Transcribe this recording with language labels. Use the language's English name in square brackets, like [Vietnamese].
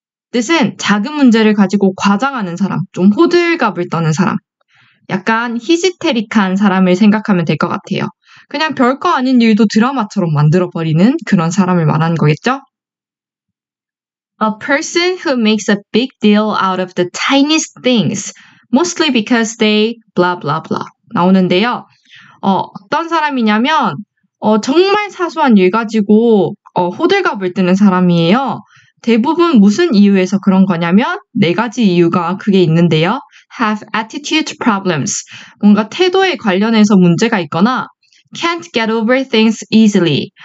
[Korean] 뜻은 작은 문제를 가지고 과장하는 사람, 좀 호들갑을 떠는 사람, 약간 히스테릭한 사람을 생각하면 될 것 같아요. 그냥 별거 아닌 일도 드라마처럼 만들어버리는 그런 사람을 말하는 거겠죠? [English] A person who makes a big deal out of the tiniest things, mostly because they blah blah blah [Korean] 나오는데요. 어떤 사람이냐면 정말 사소한 일 가지고 호들갑을 뜨는 사람이에요. 대부분 무슨 이유에서 그런 거냐면 네 가지 이유가 그게 있는데요. [English] Have attitude problems. [Korean] 뭔가 태도에 관련해서 문제가 있거나 [English] Can't get over things easily.